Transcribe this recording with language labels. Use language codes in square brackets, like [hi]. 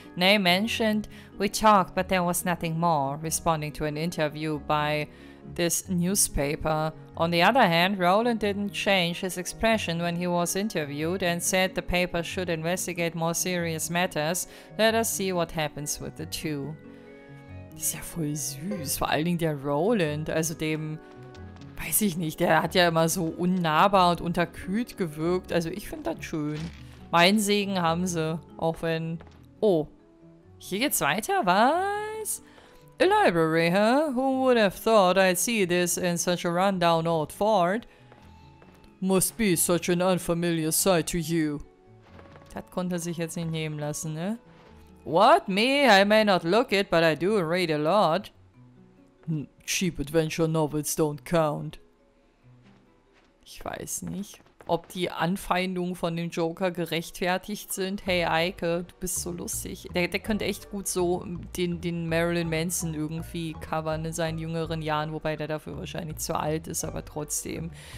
[en] Nay mentioned, "We talked, but there was nothing more," responding to an interview by this newspaper. On the other hand, Roland didn't change his expression when he was interviewed and said the paper should investigate more serious matters. Let us see what happens with the two. [de] Das ist ja voll süß, vor allen Dingen der Roland, also dem... Weiß ich nicht, der hat ja immer so unnahbar und unterkühlt gewirkt. Also ich finde das schön. Mein Segen haben sie, auch wenn... Oh, hier geht's weiter, was? [en] A library, huh? Who would have thought I'd see this in such a rundown old fort? Must be such an unfamiliar sight to you. [de] Das konnte sich jetzt nicht nehmen lassen, ne? [en] What? Me? I may not look it, but I do read a lot. Cheap adventure novels don't count. [de] Ich weiß nicht, ob die Anfeindungen von dem Joker gerechtfertigt sind. Hey Eike, du bist so lustig. Der könnte echt gut so den Marilyn Manson irgendwie covern in seinen jüngeren Jahren, wobei der dafür wahrscheinlich zu alt ist, aber trotzdem.